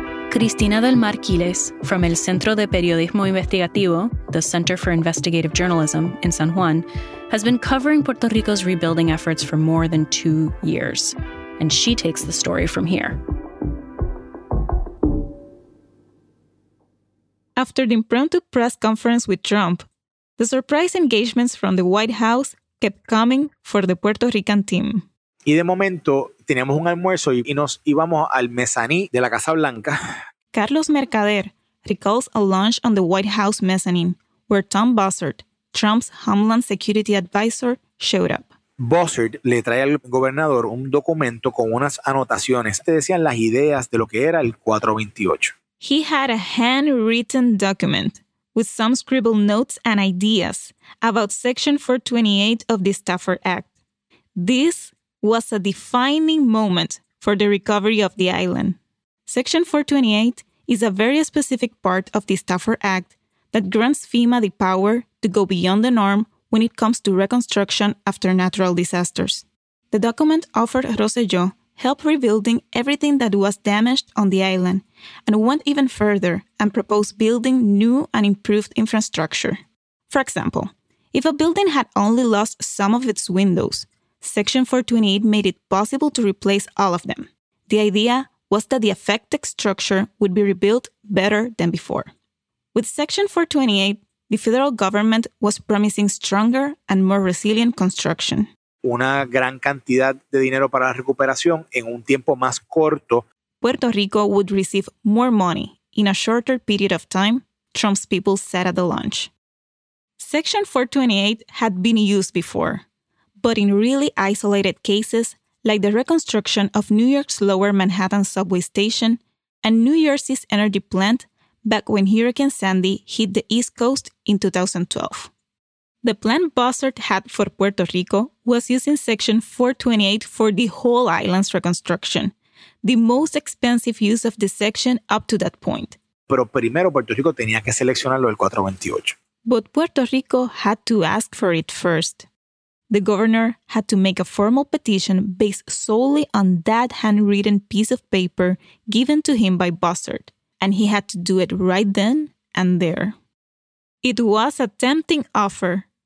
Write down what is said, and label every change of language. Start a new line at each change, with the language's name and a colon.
English: Cristina del Mar Quiles from El Centro de Periodismo Investigativo, the Center for Investigative Journalism in San Juan, has been covering Puerto Rico's rebuilding efforts for more than 2 years. And she takes the story from here. After the impromptu press conference with Trump, the surprise engagements from the White House kept coming for the Puerto Rican team.
Spanish: Y de momento teníamos un almuerzo y nos íbamos al mezaní de la Casa Blanca.
English: Carlos Mercader recalls a lunch on the White House mezzanine where Tom Bossert, Trump's Homeland Security advisor, showed up.
Spanish: Bossert le trae al gobernador un documento con unas anotaciones. Te decían las ideas de lo que era el 428.
English: He had a handwritten document with some scribble notes and ideas about Section 428 of the Stafford Act. This was a defining moment for the recovery of the island. Section 428 is a very specific part of the Stafford Act that grants FEMA the power to go beyond the norm when it comes to reconstruction after natural disasters. The document offered Rosselló help rebuilding everything that was damaged on the island, and went even further and proposed building new and improved infrastructure. For example, if a building had only lost some of its windows, Section 428 made it possible to replace all of them. The idea was that the affected structure would be rebuilt better than before. With Section 428, the federal government was promising stronger and more resilient construction.
Spanish: Una gran cantidad de dinero para la recuperación en un tiempo más corto.
English: Puerto Rico would receive more money in a shorter period of time, Trump's people said at the lunch. Section 428 had been used before, but in really isolated cases, like the reconstruction of New York's Lower Manhattan subway station and New Jersey's energy plant back when Hurricane Sandy hit the East Coast in 2012. The plan Bossert had for Puerto Rico was using Section 428 for the whole island's reconstruction, the most expensive use of the section up to that point.
Spanish: Pero primero Puerto Rico tenía que seleccionarlo el 428.
English: But Puerto Rico had to ask for it first. The governor had to make a formal petition based solely on that handwritten piece of paper given to him by Bossert, and he had to do it right then and there. It was a tempting offer,